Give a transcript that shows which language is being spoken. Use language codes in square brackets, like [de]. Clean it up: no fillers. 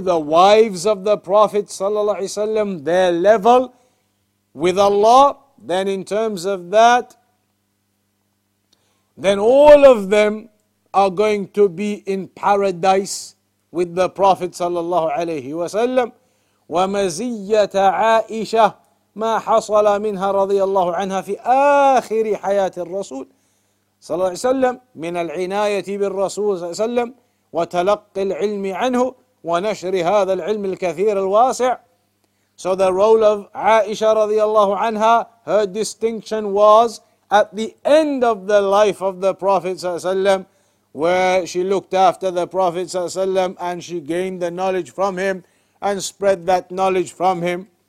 [en] the wives of the Prophet [ar] صلى الله عليه وسلم, [en] their level with Allah, then in terms of that, then all of them are going to be in paradise with the Prophet sallallahu alayhi wa sallam. [ar] وَمَزِيَّةَ عَائِشَةَ مَا حَصَلَ مِنْهَا رَضِيَ اللَّهُ عَنْهَا فِي آخِرِ حَيَاةِ الرَّسُولِ صلى الله عليه وسلم, من العناية بالرسول صلى الله عليه وسلم وتلقي العلم عنه ونشر هذا العلم الكثير الواسع. [en] So the role of Aisha radiallahu anha, her distinction was at the end of the life of the Prophet sallam, where she looked after the Prophet sallam and she gained the knowledge from him and spread that knowledge from him.